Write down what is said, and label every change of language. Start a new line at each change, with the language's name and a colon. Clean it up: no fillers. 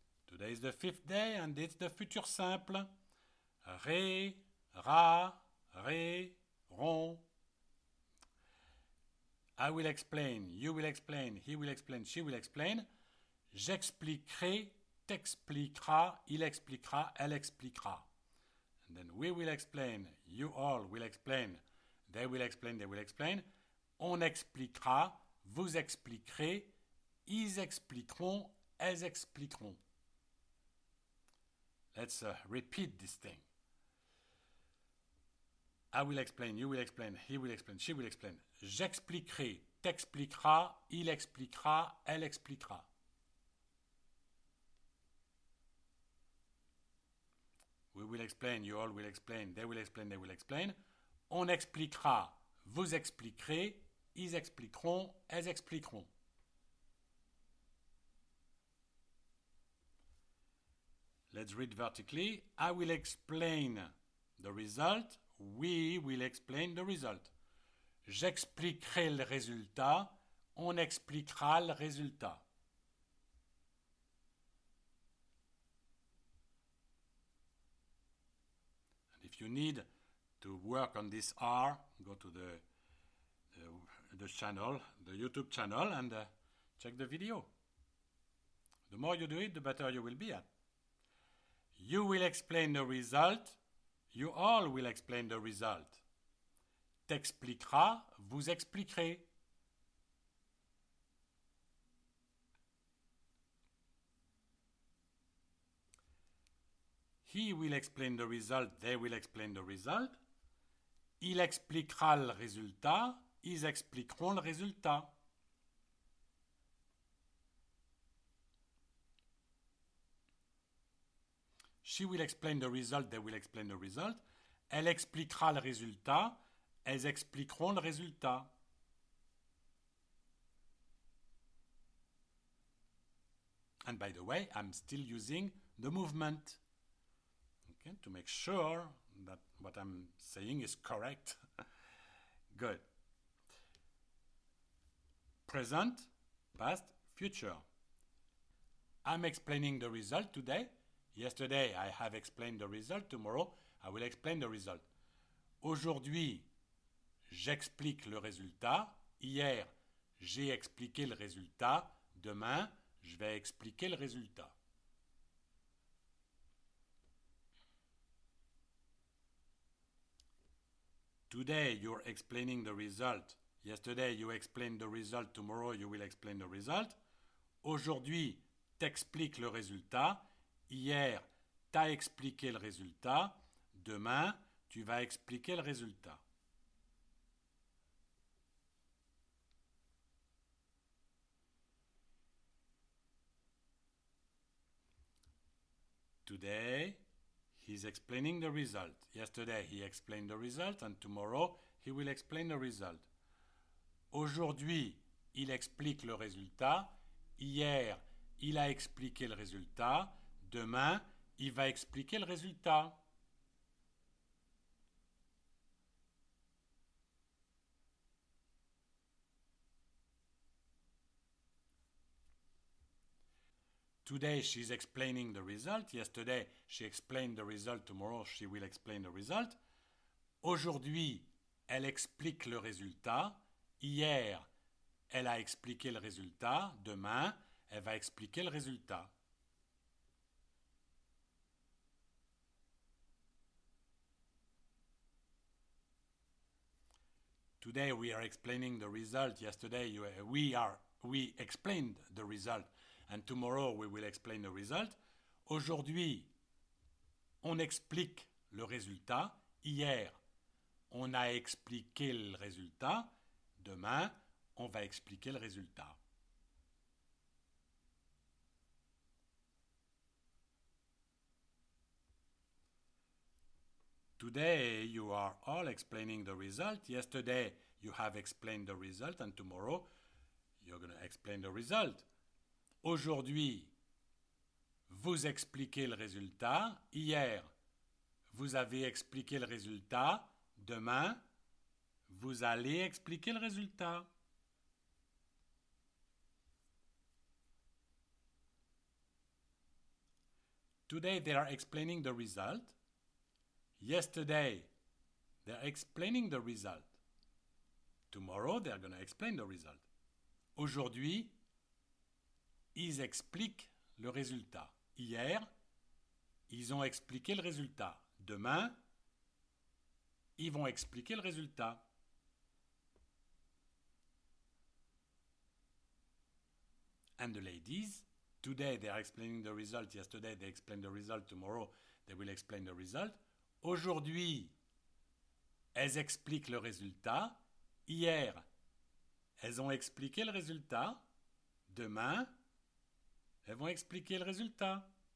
English: Today is the fifth day and it's the future simple.
French: Ré, ra, ré, ron.
English: I will explain, you will explain, he will explain, she will explain.
French: J'expliquerai, t'expliquera, il expliquera, elle expliquera.
English: And then we will explain, you all will explain, they will explain, they will explain.
French: On expliquera, vous expliquerez, ils expliqueront, elles expliqueront.
English: Let's repeat this thing. I will explain, you will explain, he will explain, she will explain.
French: J'expliquerai, t'expliquera, il expliquera, elle expliquera.
English: We will explain, you all will explain, they will explain, they will explain.
French: On expliquera, vous expliquerez, ils expliqueront, elles expliqueront.
English: Let's read vertically. I will explain the result. We will explain the result.
French: J'expliquerai le résultat. On expliquera le résultat.
English: And if you need to work on this R, go to the channel, the YouTube channel, and check the video. The more you do it, the better you will be at. You will explain the result. You all will explain the result.
French: T'expliquera, vous expliquerez.
English: He will explain the result. They will explain the result.
French: Il expliquera le résultat. Ils expliqueront le résultat.
English: She will explain the result, they will explain the result.
French: Elle expliquera le résultat, elles expliqueront le résultat.
English: And by the way, I'm still using the movement. Okay, to make sure that what I'm saying is correct. Good. Present, past, future. I'm explaining the result today. Yesterday, I have explained the result. Tomorrow, I will explain the result.
French: Aujourd'hui, j'explique le résultat. Hier, j'ai expliqué le résultat. Demain, je vais expliquer le résultat.
English: Today, you're explaining the result. Yesterday, you explained the result. Tomorrow, you will explain the result.
French: Aujourd'hui, t'expliques le résultat. Hier, t'as expliqué le résultat. Demain, tu vas expliquer le résultat.
English: Today, he's explaining the result. Yesterday, he explained the result, and tomorrow, he will explain the result.
French: Aujourd'hui, il explique le résultat. Hier, il a expliqué le résultat. Demain, il va expliquer le résultat.
English: Today, she's explaining the result. Yesterday, she explained the result. Tomorrow, she will explain the result.
French: Aujourd'hui, elle explique le résultat. Hier, elle a expliqué le résultat. Demain, elle va expliquer le résultat.
English: Today we are explaining the result. Yesterday we explained the result, and tomorrow we will explain the result.
French: Aujourd'hui, on explique le résultat. Hier, on a expliqué le résultat. Demain, on va expliquer le résultat.
English: Today you are all explaining the result. Yesterday you have explained the result, and tomorrow you're going to explain the result.
French: Aujourd'hui, vous expliquez le résultat. Hier, vous avez expliqué le résultat. Demain, vous allez expliquer le résultat.
English: Today they are explaining the result. Yesterday they are explaining the result. Tomorrow they are going to explain the result.
French: Aujourd'hui, ils expliquent le résultat. Hier, ils ont expliqué le résultat. Demain, ils vont expliquer le résultat.
English: And the ladies, today they are explaining the result. Yesterday they explained the result. Tomorrow they will explain the result.
French: Aujourd'hui, elles expliquent le résultat. Hier, elles ont expliqué le résultat. Demain, elles vont expliquer le résultat.